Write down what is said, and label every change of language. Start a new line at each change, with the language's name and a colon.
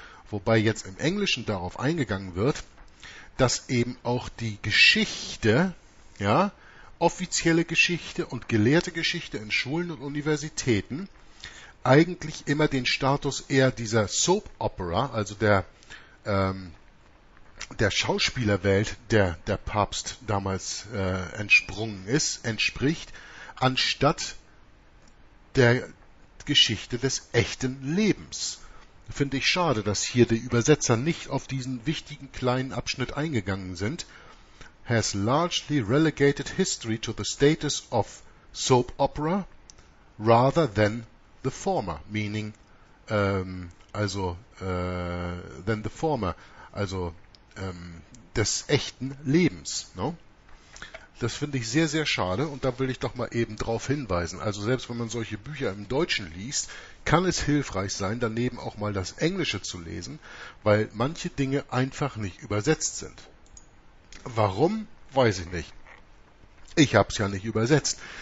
German: Wobei jetzt im Englischen darauf eingegangen wird, dass eben auch die Geschichte, ja, offizielle Geschichte und gelehrte Geschichte in Schulen und Universitäten eigentlich immer den Status eher dieser Soap Opera, also der Schauspielerwelt, der Papst damals entsprungen ist, entspricht, anstatt der Geschichte des echten Lebens. Finde ich schade, dass hier die Übersetzer nicht auf diesen wichtigen kleinen Abschnitt eingegangen sind.
English: Has largely relegated history to the status of soap opera rather than the former, meaning
German: des echten Lebens.
English: No?
German: Das finde ich sehr, sehr schade und da will ich doch mal eben drauf hinweisen. Also selbst wenn man solche Bücher im Deutschen liest, kann es hilfreich sein, daneben auch mal das Englische zu lesen, weil manche Dinge einfach nicht übersetzt sind. Warum? Weiß ich nicht. Ich habe es ja nicht übersetzt.